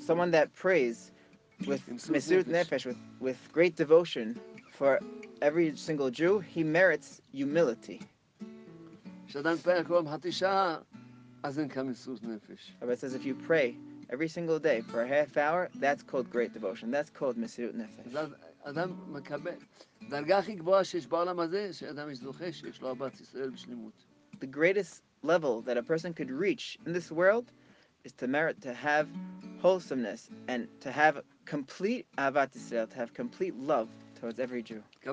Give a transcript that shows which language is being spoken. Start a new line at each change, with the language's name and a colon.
English: someone that prays with מסירות נפש, with great devotion for every single Jew, he merits humility.
Hebrew: כשאדם מתפלל כל יום חצי שעה, אז אין כאן מסירות נפש.
English: Rabbi says if you pray every single day for a half hour, that's called great devotion. That's called mesirut nefesh. The greatest level that a person could reach in this world is to merit to have wholesomeness and to have complete avat Yisrael, to have complete love towards every Jew.